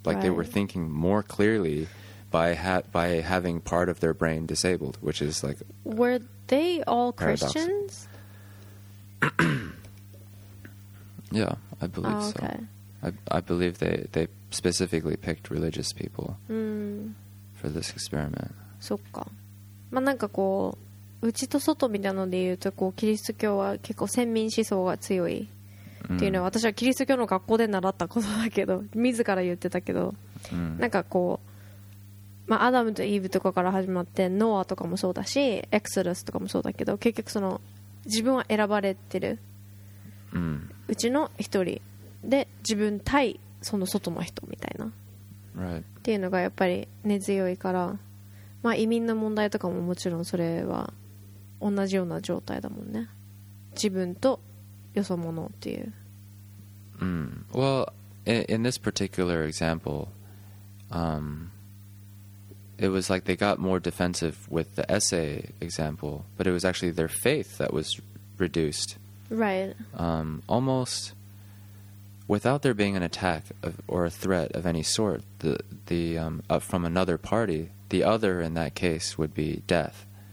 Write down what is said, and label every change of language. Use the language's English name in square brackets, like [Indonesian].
[English] Like they were thinking more clearly by having part of their brain disabled, which is like... Were they all Christians? Yeah, I believe so. I believe they specifically picked religious people for this experiment. [Japanese] そっか。まあなんかこう、内と外みたいので言うと、こうキリスト教は結構先民思想が強い。っていうのは私はキリスト教の学校で習ったことだけど自ら言ってたけど、なんかこう、まあ、アダムとイーブとかから始まってノアとかもそうだしエクソダスとかもそうだけど結局その自分は選ばれてる、うちの一人で自分対その外の人みたいな、っていうのがやっぱり根強いから、まあ、移民の問題とかももちろんそれは同じような状態だもんね。自分とよそものっていう。 [English] Well, in this particular example, it was like they got more defensive with the essay example, but it was actually their faith that was reduced. Right. Almost without there being an attack of, or a threat of any sort, the from another party, the other in that case would be death.